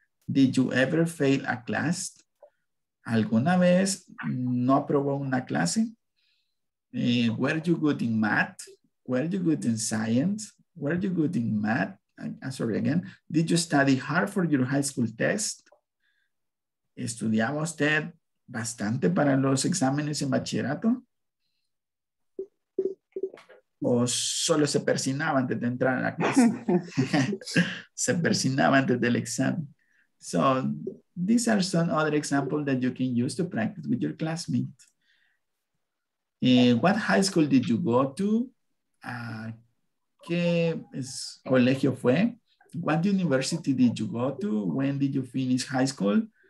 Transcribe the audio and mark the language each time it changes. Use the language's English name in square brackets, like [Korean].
[English] Did you ever fail a class? [Spanish] ¿Alguna vez no aprobó una clase? [English] Were you good in math? Were you good in science? Were you good in math? Sorry again. Did you study hard for your high school test? [Spanish] ¿Estudiaba usted bastante para los exámenes en bachillerato? ¿O solo se persinaba antes de entrar a la clase? Se persinaba antes del examen. [English] So, these are some other examples that you can use to practice with your classmate. What high school did you go to? [Spanish] ¿Qué colegio fue? [English] What university did you go to? When did you finish high school?